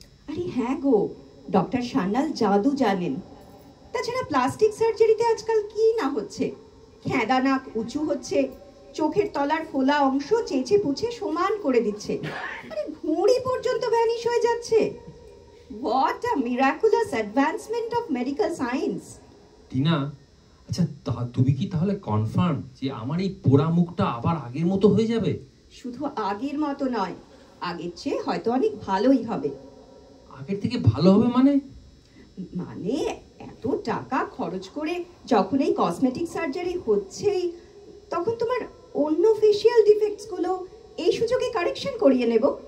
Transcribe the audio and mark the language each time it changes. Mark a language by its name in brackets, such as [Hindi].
[Bangla] আরে হ্যাঁ গো, ডক্টর সান্যাল জাদু জানেন। তাছাড়া প্লাস্টিক সার্জারিতে আজকাল কি না হচ্ছে, খেদা নাক উঁচু হচ্ছে, চোখের তলার ফোলা অংশ চেঁচে পুঁচে সমান করে দিচ্ছে, মানে ভুঁড়ি পর্যন্ত ভ্যানিশ হয়ে যাচ্ছে। [English] What a miraculous advancement of medical science. [Bangla] Tina, আচ্ছা তা তুমি কি তাহলে কনফার্ম যে আমার এই পোড়া মুখটা আবার আগের মতো হয়ে যাবে? শুধু আগের মতো নয়, আগের চেয়ে হয়তো অনেক ভালোই হবে। আগের থেকে ভালো হবে মানে? মানে এত টাকা খরচ করে যখন এই কসমেটিক সার্জারি হচ্ছেই, তখন তোমার অন্য ফেসিয়াল ডিফেক্টসগুলো এই সুযোগে কারেকশন করিয়ে নেব।